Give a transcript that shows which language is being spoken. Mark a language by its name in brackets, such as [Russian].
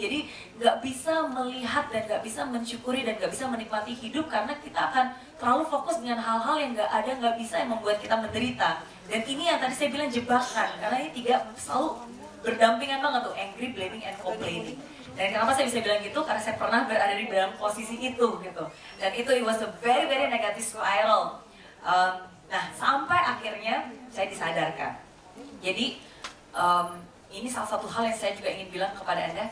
[Indonesian] Jadi gak bisa melihat dan gak bisa mensyukuri dan gak bisa menikmati hidup karena kita akan terlalu fokus dengan hal-hal yang gak ada, gak bisa yang membuat kita menderita. Dan ini yang tadi saya bilang jebakan, karena ini tiga selalu berdampingan banget tuh, [English] angry, blaming, and complaining. [Indonesian] Dan kenapa saya bisa bilang gitu? Karena saya pernah berada di dalam posisi itu gitu. Dan itu [English] it was a very very negative spiral. [Indonesian] Nah, sampai akhirnya saya disadarkan. Jadi ini salah satu hal yang saya juga ingin bilang kepada Anda.